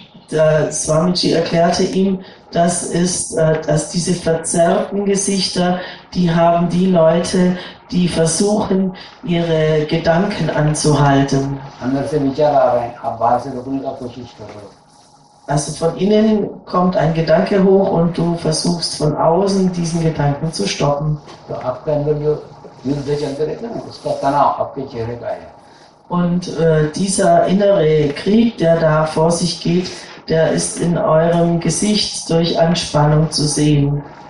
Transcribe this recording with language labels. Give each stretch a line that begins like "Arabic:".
German: Der Swamiji erklärte ihm, dass diese verzerrten Gesichter, die haben die Leute, die versuchen, ihre Gedanken anzuhalten.
Hindi: अंदर से विचार आ रहे हैं, आप बाहर से रोकने का कोशिश कर रहे हो।
German: Also von innen kommt ein Gedanke hoch und du versuchst von außen diesen Gedanken zu stoppen.
Hindi: तो आपके अंदर जो युद्ध चल रहे थे ना, उसका तनाव आपके चेहरे पे आया।
German: Und dieser innere Krieg, der da vor sich geht, der ist in eurem Gesicht durch Anspannung zu sehen.